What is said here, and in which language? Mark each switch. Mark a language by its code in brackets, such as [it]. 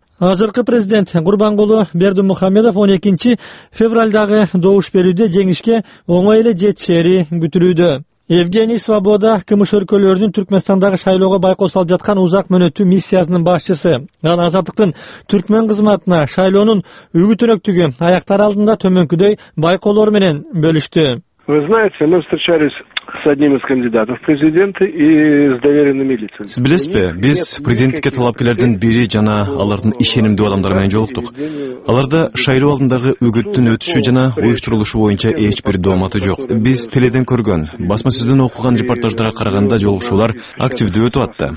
[ky] Азыркы президент Курбанголу Бердимухамедов 12 февралдагы добуш берүүдө жеңишке оңой эле жетишери күтүлүүдө. Евгений Свобода, Кымыш өлкөлөрүнүн Түркмөнстандагы шайлоого байкоо салып жаткан узак мөөнөтүү миссиясынын башчысы, анан Азаттыктын түркмөн кызматына шайлоонун үгүт-өнөктүгү аяктар алдында төмөнкүдөй байкоолор менен бөлүштү. [ru] Вы знаете, мы встречались с одним из кандидатов в президенты и с доверенными лицами. [ky] Сиз билесизби, биз президентке талапкерлердин бири жана алардын ишенимдүү адамдар менен жолуктук. Аларда шайлоо алдындагы үгүттүн өтүшү жана уюштурулушу боюнча эч бир дооматы жок. Биз теледен көргөн, басма сөздөн окуган репортаждарга караганда жолугушуулар активдүү өтүп атты.